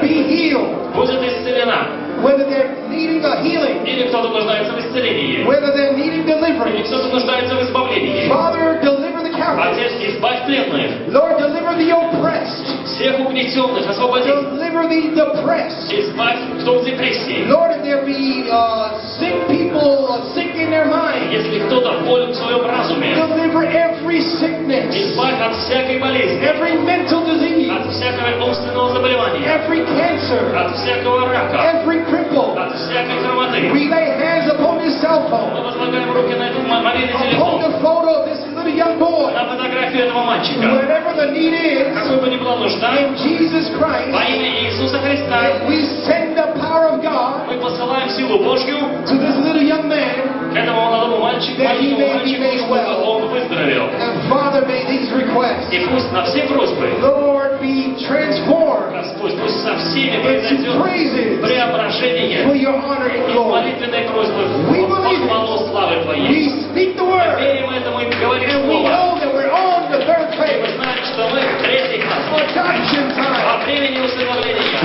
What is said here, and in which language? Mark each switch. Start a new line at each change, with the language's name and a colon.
English: Be healed.
Russian: Будет исцелена.
English: Whether they're needing a healing.
Russian: Или кто-то нуждается в исцелении.
English: Whether they're needing deliverance.
Russian: Или кто-то нуждается в избавлении.
English: Father, deliver the captives.
Russian: Отец, избавь пленных.
English: Lord, deliver the oppressed.
Russian: Всех угнетенных, освободи.
English: Deliver the depressed.
Russian: Избавь, кто в депрессии.
English: Lord, if there be sick people, sick in their mind.
Russian: Если кто-то болен в своем разуме.
English: Deliver every sickness.
Russian: Избавь от всякой болезни.
English: Every mental disease.
Russian: От всякого умственного заболевания.
English: Every cancer.
Russian: От всякого рака.
English: Every cripple.
Russian: От всякой хромоты.
English: We lay hands upon this cell phone.
Russian: Мы возлагаем руки на этот мобильный телефон.
English: Upon the photo of this little young boy.
Russian: На фотографию этого мальчика.
English: Whatever the need is.
Russian: Какой бы ни была нужда.
English: In Jesus Christ.
Russian: Во имя Иисуса Христа.
English: We send the power of God.
Russian: Мы посылаем силу Божью.
English: To this little young man.
Russian: К этому молодому мальчику.
English: That he may be made well.
Russian: Он выздоровел.
English: And Father, may these requests.
Russian: И пусть на все просьбы.
English: Lord, be transformed.
Russian: Господь, пусть со всеми произойдет преображение.
English: For your honor and glory.
Russian: И молитвенной просьбой.
English: We believe.
Russian: Похвалу славы Твоей.
English: We speak the word.
Russian: Мы верим этому и говорим слово.
English: And we know that we're on the third phase.
Russian: Мы знаем, что мы в третьей фазе.
English: Adoption time.
Russian: Во времени усыновления.